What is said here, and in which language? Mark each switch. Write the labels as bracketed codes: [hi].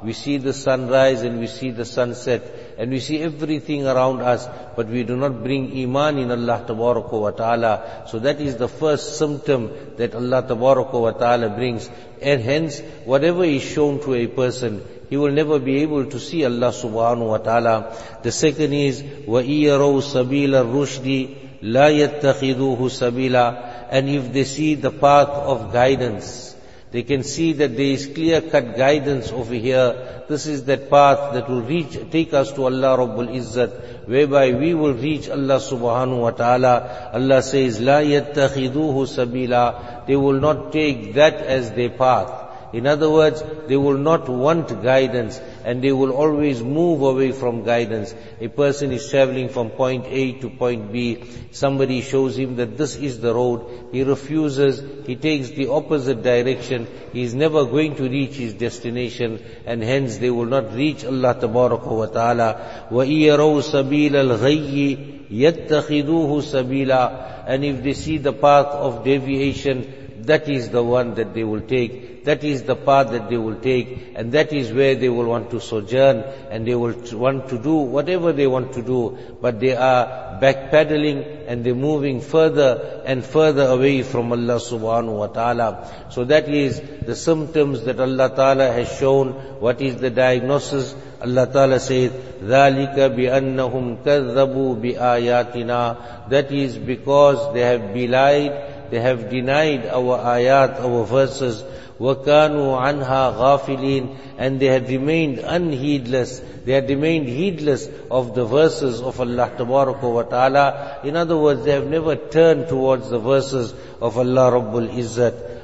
[en] We see the sunrise and we see the sunset and we see everything around us, but we do not bring iman in Allah tabaraka wa ta'ala. So that is the first symptom that Allah tabaraka wa ta'ala brings. And hence, whatever is shown to a person, he will never be able to see Allah subhanahu wa ta'ala. The second is, [ar] وَإِيَرَوْ سَبِيلَ الرُّشْدِ لَا يَتَّخِذُوهُ سَبِيلًا. [en] And if they see the path of guidance, they can see that there is clear-cut guidance over here. This is that path that will reach, take us to Allah Rabbul Izzat, whereby we will reach Allah subhanahu wa ta'ala. Allah says, [ar] لَا يَتَّخِذُوهُ سَبِيلًا. [en] They will not take that as their path. In other words, they will not want guidance and they will always move away from guidance. A person is traveling from point A to point B. Somebody shows him that this is the road. He refuses. He takes the opposite direction. He is never going to reach his destination and hence they will not reach Allah tabaraka wa ta'ala. [ar] وَإِيَرَوْ سَبِيلَ الْغَيِّ يَتَّخِذُوهُ سَبِيلًا. [en] And if they see the path of deviation, that is the one that they will take. That is the path that they will take. And that is where they will want to sojourn. And they will want to do whatever they want to do. But they are backpedaling and they're moving further and further away from Allah subhanahu wa ta'ala. So that is the symptoms that Allah ta'ala has shown. What is the diagnosis? Allah ta'ala says, [ar] ذَلِكَ بِأَنَّهُمْ كَذَّبُوا بِآيَاتِنَا. [en] That is because they have belied, they have denied our ayat, our verses. [ar] وَكَانُوا عَنْهَا غَافِلِينَ. [en] And they had remained unheedless. They had remained heedless of the verses of Allah tabaraka wa ta'ala. In other words, they have never turned towards the verses of Allah Rabbul Izzat.